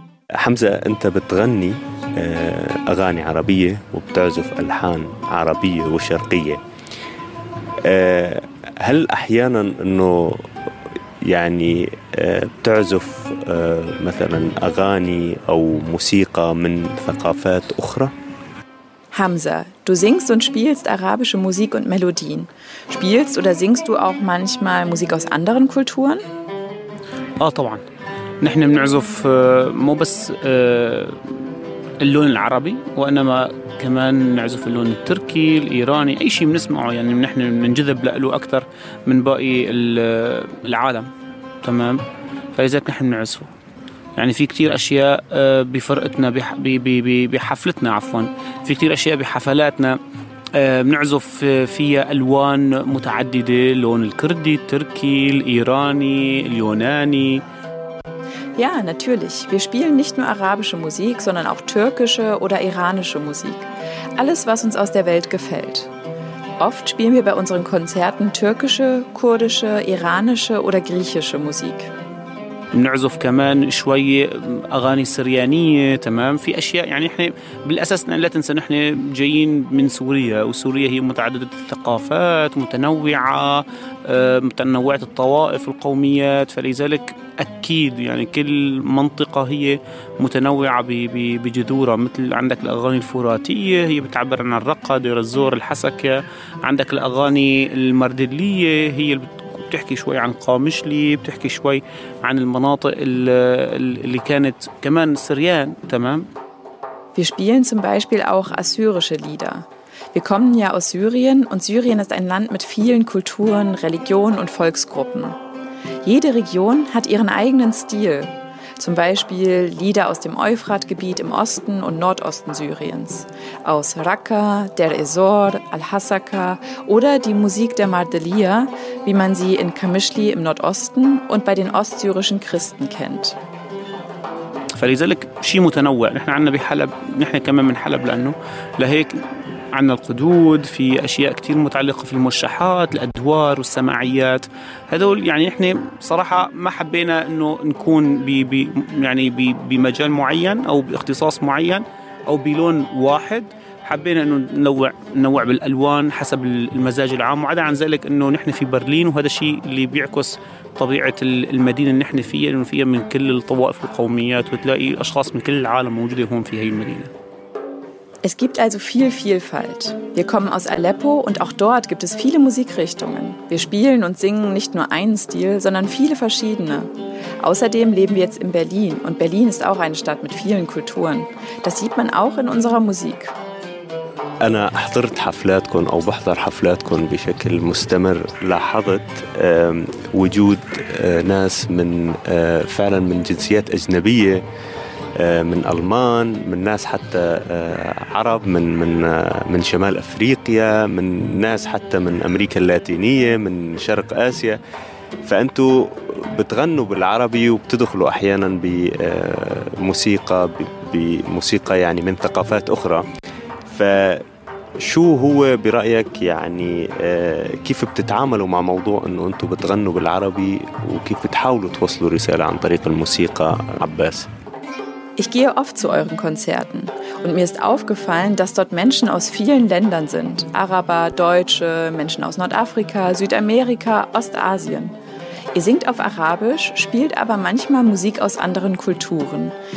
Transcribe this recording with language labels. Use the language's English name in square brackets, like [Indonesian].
[Arabic] حمزة، أنت بتغني أغاني عربية وبتعزف ألحان عربية وشرقية، هل أحياناً أنه يعني بتعزف مثلاً أغاني أو موسيقى من ثقافات أخرى؟ [German] حمزة، du singst und spielst arabische Musik und Melodien. Spielst oder singst du auch manchmal Musik aus anderen Kulturen؟ [Arabic] آه طبعاً، نحن بنعزف مو بس اللون العربي وإنما كمان نعزف اللون التركي الإيراني، أي شيء بنسمعه يعني نحن منجذب له أكثر من باقي العالم. تمام، فلذلك نحن نعزفه. يعني في كتير أشياء بفرقتنا بحفلتنا في كتير أشياء بحفلاتنا بنعزف فيها ألوان متعددة، لون الكردي التركي الإيراني اليوناني. [German] Ja, natürlich. Wir spielen nicht nur arabische Musik, sondern auch türkische oder iranische Musik. Alles, was uns aus der Welt gefällt. Oft spielen wir bei unseren Konzerten türkische, kurdische, iranische oder griechische Musik. [Arabic] نعزف كمان شوية أغاني سريانية. تمام، في أشياء يعني إحنا بالأساس لا تنسى نحن جايين من سوريا، وسوريا هي متعددة الثقافات، متنوعة، متنوعة الطوائف والقوميات، فلذلك أكيد يعني كل منطقة هي متنوعة بجذورها. مثل عندك الأغاني الفراتية هي بتعبر عن الرقة، دير الزور، الحسكة، عندك الأغاني المردلية هي بتحكي شوي عن قامشلي، بتحكي شوي عن المناطق اللي كانت كمان سريان. تمام، [German] Wir spielen zum Beispiel auch assyrische Lieder. Wir kommen ja aus Syrien und Syrien ist ein Land mit vielen Kulturen, Religionen und Volksgruppen. Jede Region hat ihren eigenen Stil. Zum Beispiel Lieder aus dem Euphratgebiet im Osten und Nordosten Syriens. Aus Raqqa, Deir ez-Zor, Al-Hasaka oder die Musik der Mardeliya, wie man sie in Kamishli im Nordosten und bei den ostsyrischen Christen kennt. [Arabic] فلذلك شيء متنوع. نحن عنا بحلب، نحن كمان من حلب، لأنه لهيك عنا القدود، في أشياء كتير متعلقة في المرشحات، الأدوار والسماعيات. هذول يعني إحنا صراحة ما حبينا إنه نكون بمجال معين أو باختصاص معين أو بلون واحد. حبينا إنه ننوع بالألوان حسب المزاج العام. وعدا عن ذلك إنه نحن في برلين، وهذا الشيء اللي بيعكس طبيعة المدينة اللي نحن فيها، لأنه فيها من كل الطوائف والقوميات، وتلاقي أشخاص من كل العالم موجودة هون في هاي المدينة. [German] Es gibt also viel Vielfalt. Wir kommen aus Aleppo und auch dort gibt es viele Musikrichtungen. Wir spielen und singen nicht nur einen Stil, sondern viele verschiedene. Außerdem leben wir jetzt in Berlin und Berlin ist auch eine Stadt mit vielen Kulturen. Das sieht man auch in unserer Musik. [Arabic] أنا حضرت حفلاتكم أو بحضر حفلاتكم بشكل مستمر، لاحظت وجود ناس من فعلا من جنسيات أجنبية، من ألمان، من ناس حتى عرب، من من من شمال أفريقيا، من ناس حتى من أمريكا اللاتينية، من شرق آسيا. فأنتوا بتغنوا بالعربي وبتدخلوا أحيانا بموسيقى بموسيقى يعني من ثقافات أخرى. فشو هو برأيك يعني كيف بتتعاملوا مع موضوع أنه أنتوا بتغنوا بالعربي وكيف بتحاولوا توصلوا رسالة عن طريق الموسيقى؟ عباس: [German] Ich gehe oft zu euren Konzerten und mir ist aufgefallen, dass dort Menschen aus vielen Ländern sind. Araber, Deutsche, Menschen aus Nordafrika, Südamerika, Ostasien. Ihr singt auf Arabisch, spielt aber manchmal Musik aus anderen Kulturen.